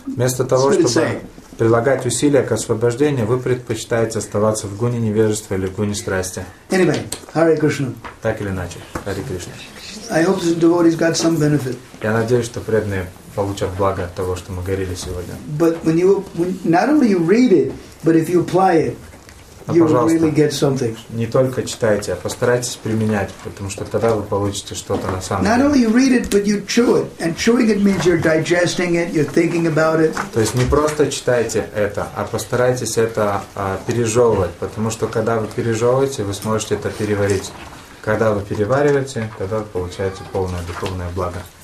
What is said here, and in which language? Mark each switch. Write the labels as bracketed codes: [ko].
[ru] Вместо того, чтобы прилагать усилия к освобождению, вы предпочитаете оставаться в гуне невежества или в гуне страсти. [en] Anyway, Hare Krishna. [ru] Так или иначе, Hare Krishna. [en] I hope the devotees got some benefit. [ru] Я надеюсь, что преданные получат благо от того, что мы говорили сегодня. [en] But when you not only you read it, but if you apply it, you will really get something. [ru] Не только читайте, а постарайтесь применять, потому что тогда вы получите что-то на самом деле. [en] Not only you read it, but you chew it, and chewing it means you're digesting it, you're thinking about it. [ru] То есть не просто читайте это, а постарайтесь это пережевывать, потому что когда вы пережевываете, вы сможете это переварить. Когда вы перевариваете, тогда вы получаете полное духовное благо.